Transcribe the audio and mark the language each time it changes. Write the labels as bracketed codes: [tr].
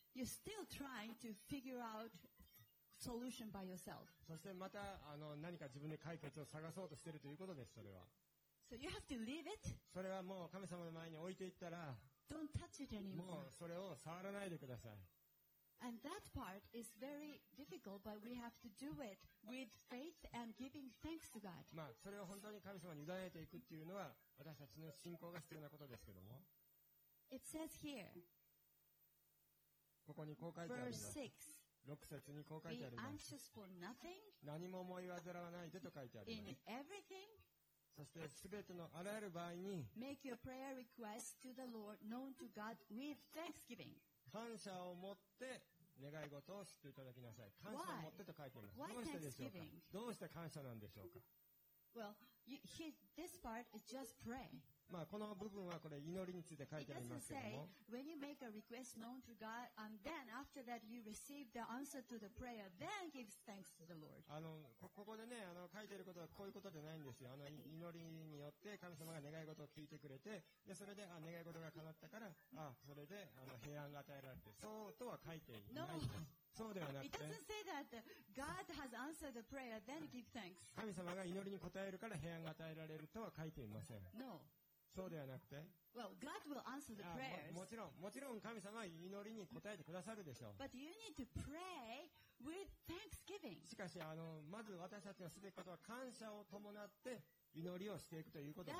[en] you're still trying to figure outSolution by yourself. [ja] そしてまた何か自分で解決を探そうとしているということです。それは。 [en] So you have to leave it. [ja] それはもう神様の前に置いていったら、 [en] Don't touch it anymore. [ja] もうそれを触らないでください。 [en] And that part is very difficult, but we have to do it with faith and giving thanks to God. [ja] まあそれを本当に神様に委ねていくっていうのは私たちの信仰が必要なことですけども。 [en] It says here. [ja] ここにこう書いてあります。 [en] Verse 6. [ja] 6節にこう書いてあります。何も思い煩わないでと書いてあります。そして全てのあらゆる場合に [en] Make your prayer request to the Lord known to God with thanksgiving. [ja] 感謝を持って願い事を知っていただきなさい。感謝を持ってと書いています。 [en] Why? [ja] どうしてでしょうか。どうして感謝なんでしょうか。 [en] Well, this part is just pray. [ja] まあ、この部分はこれ祈りについて書いてありますけども [en] When you make a request known to God and then after that you receive the answer to the prayer then give thanks to the Lord [ja] ここでね書いてることはこういうことじゃないんですよ祈りによって神様が願い事を聞いてくれてでそれで願い事が叶ったからそれで平安が与えられてそうとは書いていないんです、 [en] no. [ja] そうではなくて [en] It doesn't say that God has answered the prayer then give thanks [ja] 神様が祈りに答えるから平安が与えられるとは書いていません [en] No. [ja] そうではなくて [en] well, God will answer the prayers. [ja] もちろん神様は祈りに応えてくださるでしょう [en] But you need to pray with thanksgiving. [ja] しかしまず私たちがすべきことは感謝を伴って祈りをしていくということです